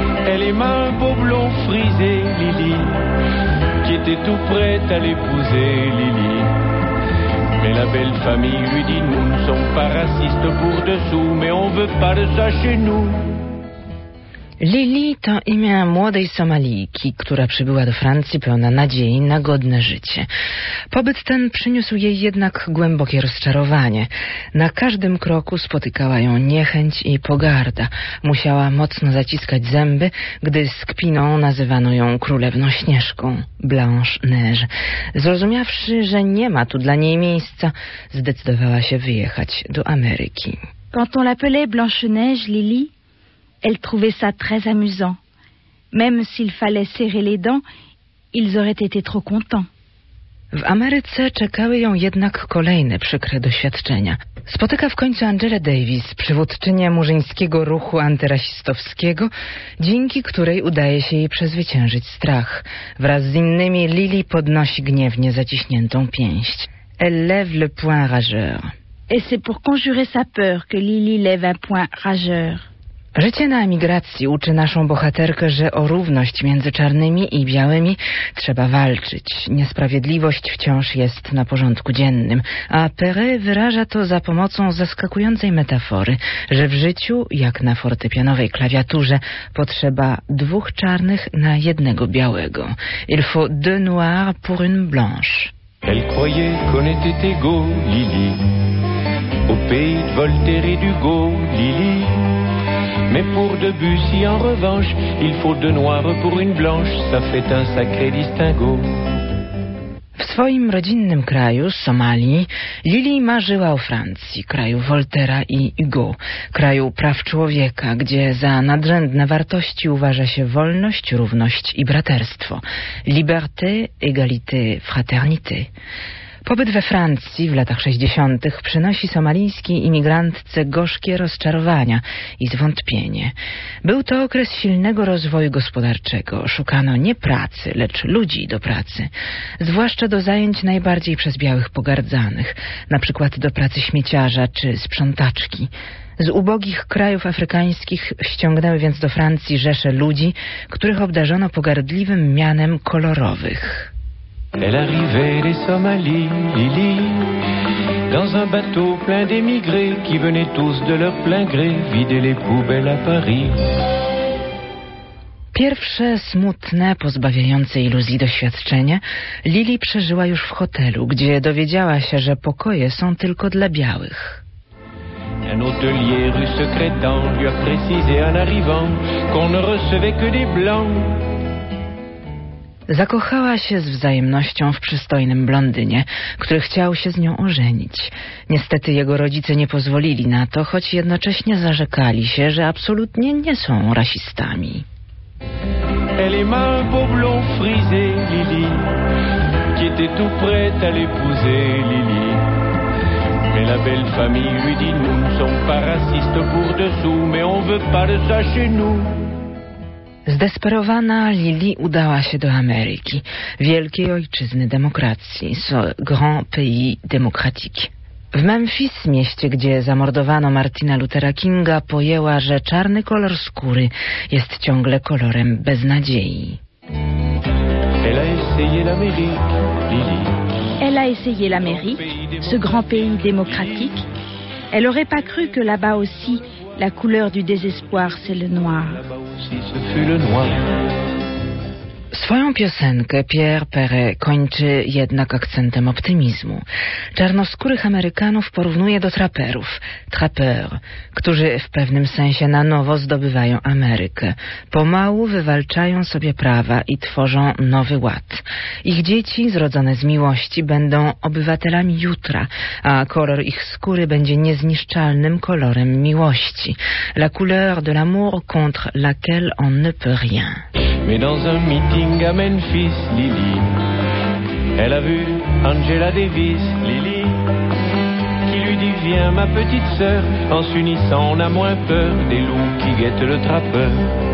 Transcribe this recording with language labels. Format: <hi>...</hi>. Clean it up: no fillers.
<fr>Elle aima un beau blond frisé, Lili, qui était tout prête à l'épouser, Lili. Mais la belle famille lui dit, nous ne sommes pas racistes pour deux sous, mais on veut pas de ça chez nous.</fr> <pl>Lili to imię młodej Somalijki, która przybyła do Francji pełna nadziei na godne życie. Pobyt ten przyniósł jej jednak głębokie rozczarowanie. Na każdym kroku spotykała ją niechęć i pogarda. Musiała mocno zaciskać zęby, gdy z kpiną nazywano ją królewną Śnieżką, Blanche Neige. Zrozumiawszy, że nie ma tu dla niej miejsca, zdecydowała się wyjechać do Ameryki.</pl> <fr>Quand on l'appelait Blanche Neige, Lili... Elle trouvait ça très amusant. Même s'il fallait serrer les dents, ils auraient été trop contents.</fr> <pl>W Ameryce czekały ją jednak kolejne przykre doświadczenia. Spotyka w końcu Angela Davis, przywódczynię murzyńskiego ruchu antyrasistowskiego, dzięki której udaje się jej przezwyciężyć strach. Wraz z innymi Lily podnosi gniewnie zaciśniętą pięść.</pl> <fr>Elle lève le poing rageur. Et c'est pour conjurer sa peur que Lily lève un poing rageur.</fr> <pl>Życie na emigracji uczy naszą bohaterkę, że o równość między czarnymi i białymi trzeba walczyć. Niesprawiedliwość wciąż jest na porządku dziennym, a Perret wyraża to za pomocą zaskakującej metafory, że w życiu, jak na fortepianowej klawiaturze, potrzeba dwóch czarnych na jednego białego.</pl> <fr>Il faut deux noirs pour une blanche. Elle croyait qu'on était égaux, Lily, au pays de Voltaire et d'Hugo, Lily. Mais pour Debussy, en revanche, il faut deux noirs pour une blanche, ça fait un sacré distinguo.</fr> <pl>W swoim rodzinnym kraju, Somalii, Lily marzyła o Francji, kraju Voltaire'a i Hugo, kraju praw człowieka, gdzie za nadrzędne wartości uważa się wolność, równość i braterstwo.</pl> <fr>Liberté, égalité, fraternité.</fr> <pl>Pobyt we Francji w latach 60. przynosi somalijskiej imigrantce gorzkie rozczarowania i zwątpienie. Był to okres silnego rozwoju gospodarczego. Szukano nie pracy, lecz ludzi do pracy. Zwłaszcza do zajęć najbardziej przez białych pogardzanych, na przykład do pracy śmieciarza czy sprzątaczki. Z ubogich krajów afrykańskich ściągnęły więc do Francji rzesze ludzi, których obdarzono pogardliwym mianem kolorowych.</pl> <fr>Elle arrivait des Somalis, Lily, dans un bateau plein d'émigrés qui venaient tous de leur plein gré vider les poubelles à Paris.</fr> <pl>Pierwsze smutne, pozbawiające iluzji doświadczenie Lily przeżyła już w hotelu, gdzie dowiedziała się, że pokoje są tylko dla białych.</pl> <fr>Un hôtelier rue Secrétan lui a précisé en arrivant qu'on ne recevait que des blancs.</fr> <pl>Zakochała się z wzajemnością w przystojnym blondynie, który chciał się z nią ożenić. Niestety jego rodzice nie pozwolili na to, choć jednocześnie zarzekali się, że absolutnie nie są rasistami.</pl> <fr>Elle aima un beau blond frisé, Lily, qui était tout prête à l'épouser, Lily. Mais la belle famille lui dit, nous ne sommes pas racistes pour deux sous, mais on veut pas de ça chez nous.</fr> <pl>Zdesperowana Lily udała się do Ameryki, wielkiej ojczyzny demokracji,</pl> <fr>ce grand pays démocratique.</fr> <pl>W Memphis, mieście, gdzie zamordowano Martina Luthera Kinga, pojęła, że czarny kolor skóry jest ciągle kolorem beznadziei.</pl> <fr>Elle a essayé l'Amérique, Lily. Elle a essayé l'Amérique, ce grand pays démocratique. Elle aurait pas cru que là-bas aussi la couleur du désespoir, c'est le noir.</fr> <pl>Swoją piosenkę Pierre Perret kończy jednak akcentem optymizmu. Czarnoskórych Amerykanów porównuje do traperów, trapeur, którzy w pewnym sensie na nowo zdobywają Amerykę. Pomału wywalczają sobie prawa i tworzą nowy ład. Ich dzieci, zrodzone z miłości, będą obywatelami jutra, a kolor ich skóry będzie niezniszczalnym kolorem miłości.</pl> <fr>La couleur de l'amour contre laquelle on ne peut rien. Mais dans un meeting à Memphis, Lily, elle a vu Angela Davis, Lily, qui lui dit, viens ma petite sœur, en s'unissant on a moins peur des loups qui guettent le trappeur.</fr>